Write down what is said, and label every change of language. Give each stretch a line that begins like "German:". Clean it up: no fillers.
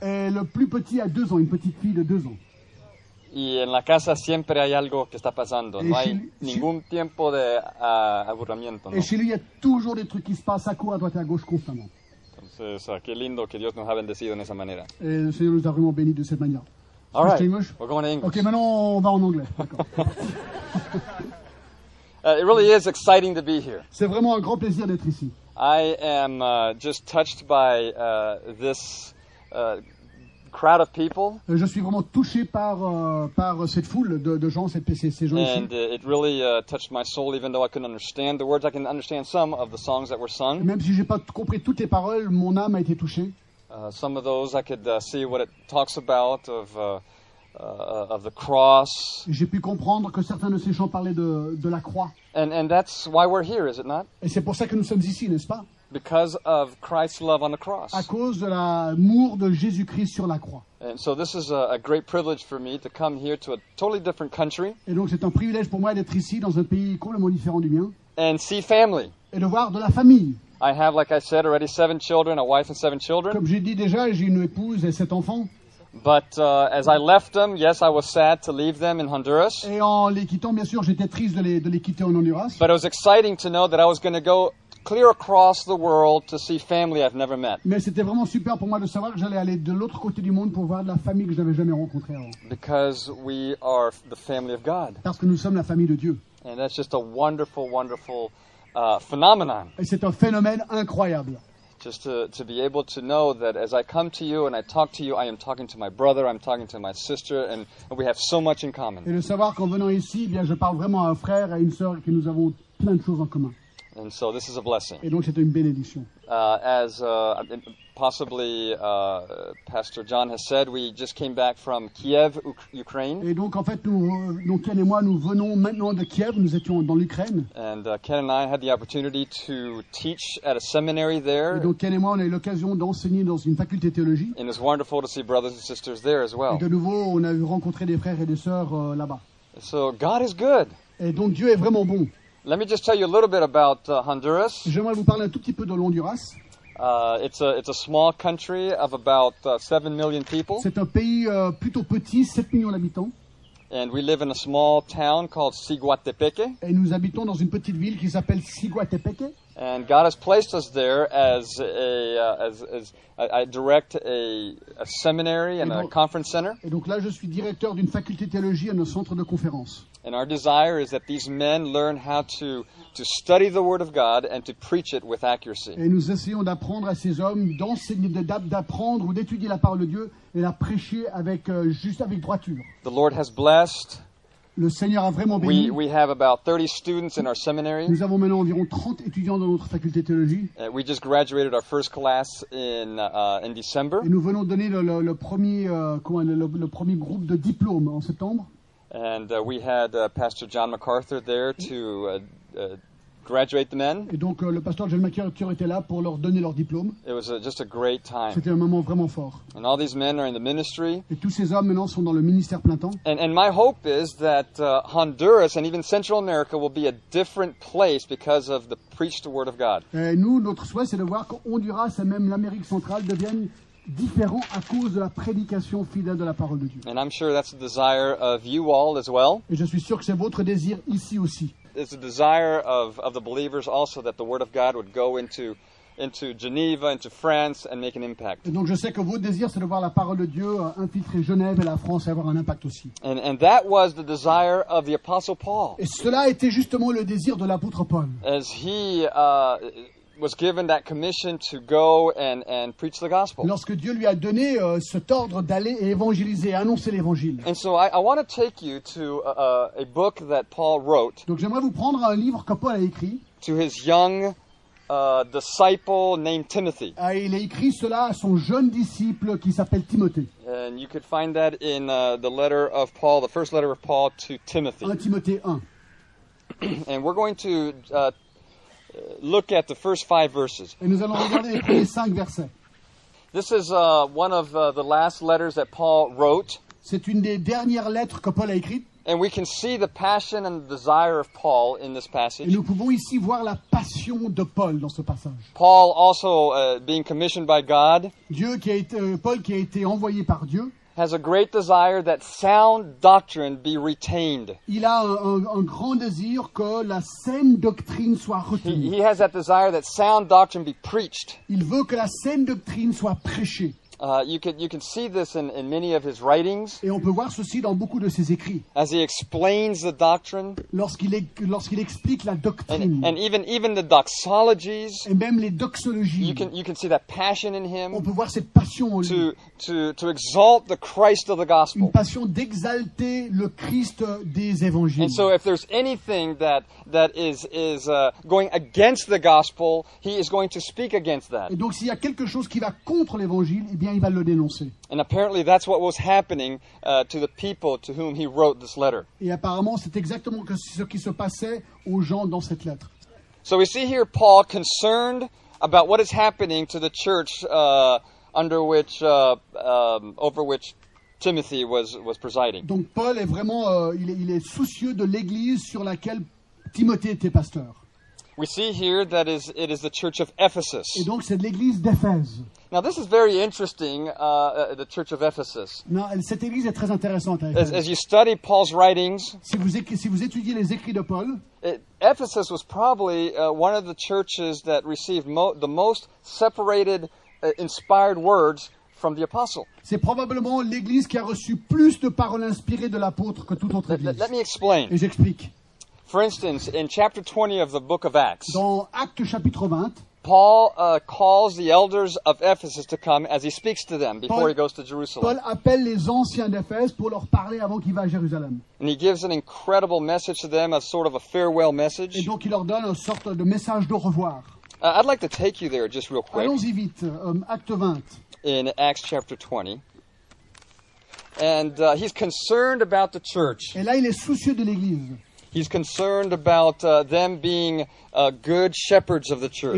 French: Le plus petit a 2 ans, une petite fille de 2 ans.
Spanish: Y en la casa siempre hay algo que está pasando. No hay ningún tiempo de aburrimiento.
French: Y chez lui, il y a toujours des trucs qui se passent à court, à droite et à gauche constamment.
Spanish: Entonces, qué lindo que Dios nos ha bendecido en esa manera. El Señor nos ha realmente bendecido de esa manera.
English: All right, we're going to English.
French: Okay, maintenant on va en anglais.
English: It really is exciting to be here.
French: C'est vraiment un grand plaisir d'être ici.
English: I am just touched by this crowd of people.
French: Je suis vraiment touché par cette foule de gens, ces gens.
English: And
French: ici.
English: It really touched my soul, even though I couldn't understand the words. I can understand some of the songs that were sung.
French: Même si j'ai pas compris toutes les paroles, mon âme a été touchée.
English: Some of those I could see what it talks about of the cross.
French: J'ai pu comprendre que certains de ces chants parlaient de la croix.
English: And that's why we're here, is it not?
French: Et c'est pour ça que nous sommes ici, n'est-ce pas?
English: Because of Christ's love on the cross.
French: À cause de l'amour de Jésus-Christ sur la croix.
English: And so this is a great privilege for me to come here to a totally different country.
French: Et donc c'est un privilège pour moi d'être ici dans un pays complètement différent du mien.
English: And see family.
French: Et de voir de la famille.
English: I have, like I said, already 7 children, a wife and 7 children.
French: Comme j'ai dit déjà, j'ai une épouse et 7 enfants.
English: But as I left them, yes, I was sad to leave them in Honduras.
French: Et en les quittant, bien sûr, j'étais triste de les quitter en Honduras.
English: But it was exciting to know that I was going to go clear across the world to see family I've never met.
French: Mais c'était vraiment super pour moi de savoir que j'allais aller de l'autre côté du monde pour voir de la famille que je n'avais jamais rencontrée avant.
English: Because we are the family of God.
French: Parce que nous sommes la famille de Dieu.
English: And that's just a wonderful, wonderful phenomenon.
French: Et c'est un phénomène incroyable.
English: Just to be able to know that as I come to you and I talk to you, I am talking to my brother, I'm talking to my sister, and we have so much in common.
French: Et de savoir qu'en venant ici, bien, je parle vraiment à un frère, à une sœur, et que nous avons plein de choses en commun.
English: And so this is a blessing.
French: Et donc c'est une bénédiction.
English: As possibly Pastor John has said, we just came back from Kiev, Ukraine.
French: Et donc en fait, nous, Ken et moi, nous venons maintenant de Kiev. Nous étions dans l'Ukraine.
English: And Ken and I had the opportunity to teach at a seminary there.
French: Et donc Ken et moi, on a eu l'occasion d'enseigner dans une faculté de théologie.
English: And it's wonderful to see brothers and sisters there as well.
French: Et de nouveau, on a eu rencontré des frères et des sœurs là-bas.
English: So God is good.
French: Et donc Dieu est vraiment bon.
English: Let me just tell you a little bit about Honduras.
French: J'aimerais vous parler un tout petit peu de l'Honduras.
English: It's a small country of about 7 million people.
French: C'est un pays plutôt petit, 7 millions d'habitants.
English: And we live in a small town called Siguatepeque.
French: Et nous habitons dans une petite ville qui s'appelle Siguatepeque.
English: And God has placed us there as a I direct a seminary and
French: donc,
English: a conference center.
French: Et donc là, je suis directeur d'une faculté de théologie et d'un centre de conférences.
English: And our desire is that these men learn how to study the Word of God and to preach it with accuracy.
French: Et nous essayons d'apprendre à ces hommes d'enseigner, d'apprendre ou d'étudier la parole de Dieu et la prêcher avec juste avec droiture.
English: The Lord has blessed.
French: Le Seigneur a vraiment béni.
English: We have about 30 students in our seminary.
French: Nous avons maintenant environ 30 étudiants dans notre faculté de théologie.
English: And we just graduated our first class in December.
French: Et nous venons de donner le premier groupe de diplôme en septembre.
English: And we had Pastor John MacArthur there to graduate the men.
French: Et donc le pasteur John MacArthur était là pour leur donner leur diplôme.
English: It was just a great time.
French: C'était un moment vraiment fort.
English: And all these men are in the ministry.
French: Et tous ces hommes maintenant sont dans le ministère plein temps.
English: And my hope is that Honduras and even Central America will be a different place because of the preached word of God.
French: Et nous, notre souhait, c'est de voir que Honduras et même l'Amérique centrale deviennent différent à cause de la prédication fidèle de la parole de Dieu.
English: And I'm sure that's the desire of you all as well.
French: Et je suis sûr que c'est votre désir ici aussi.
English: It's the desire of the believers also that the word of God would go into Geneva, into France and make an impact.
French: Et donc je sais que votre désir c'est de voir la parole de Dieu infiltrer Genève et la France et avoir un impact aussi.
English: And that was the desire of the apostle Paul.
French: Et cela était justement le désir de l'apôtre Paul.
English: As he was given that commission to go and preach the gospel.
French: Lorsque Dieu lui a donné cet ordre d'aller et évangéliser, annoncer l'évangile.
English: And so I want to take you to a book that Paul wrote.
French: Donc j'aimerais vous prendre un livre que Paul a écrit.
English: To his young disciple named Timothy.
French: Il a écrit cela à son jeune disciple qui s'appelle Timothée.
English: And you could find that in the letter of Paul, the first letter of Paul to Timothy.
French: 1 Timothée 1.
English: And we're going to look at the first five verses.
French: Et nous allons regarder les premiers cinq versets.
English: This is one of the last letters that Paul wrote.
French: C'est une des dernières lettres que Paul a écrites.
English: And we can see the passion and the desire of Paul in this passage.
French: Et nous pouvons ici voir la passion de Paul dans ce passage.
English: Paul also being commissioned by God.
French: Dieu qui a été, Paul qui a été envoyé par Dieu.
English: Has a great desire that sound doctrine be retained.
French: Il a un grand désir que la saine doctrine soit retenue.
English: He has that desire that sound doctrine be preached.
French: Il veut que la saine doctrine soit prêchée.
English: You can see this in many of his writings.
French: Et on peut voir ceci dans beaucoup de ses écrits.
English: As he explains the doctrine.
French: Lorsqu'il explique la doctrine.
English: And even the doxologies.
French: Et même les doxologies.
English: You can see that passion in him.
French: On peut voir cette passion en lui.
English: To exalt the Christ of the gospel.
French: Une passion d'exalter le Christ des évangiles.
English: And so if there's anything that is going against the gospel, he is going to speak against that.
French: Et donc s'il y a quelque chose qui va contre l'évangile, eh bien, il va le dénoncer.
English: And apparently that's what was happening to the people to whom he wrote this letter.
French: Et apparemment, c'est exactement ce qui se passait aux gens dans cette lettre.
English: So we see here Paul concerned about what is happening to the church over which Timothy was presiding.
French: Donc Paul est vraiment il est soucieux de l'église sur laquelle Timothée était pasteur.
English: We see here that it is the church of Ephesus.
French: Et donc c'est l'église d'Éphèse.
English: Now this is very interesting, the church of Ephesus.
French: Non, cette église est très intéressante.
English: As you study Paul's writings,
French: si vous étudiez les écrits de Paul,
English: Ephesus was probably one of the churches that received the most separated, inspired words from the apostle.
French: C'est probablement l'église qui a reçu plus de paroles inspirées de l'apôtre que toute autre église.
English: Let me explain.
French: Et j'explique.
English: For instance, in chapter 20 of the book of Acts,
French: dans Actes chapitre 20,
English: Paul calls the elders of Ephesus to come as he speaks to them before he goes to Jerusalem.
French: Paul appelle les anciens d'Éphèse pour leur parler avant qu'il va à Jérusalem.
English: And he gives an incredible message to them, a sort of a farewell message.
French: Et donc il leur donne une sorte de message de revoir.
English: I'd like to take you there just real quick.
French: Allons-y vite, acte 20.
English: In Acts chapter 20. And he's concerned about the church.
French: Et là, il est soucieux de l'église.
English: He's concerned about them being good shepherds of the church.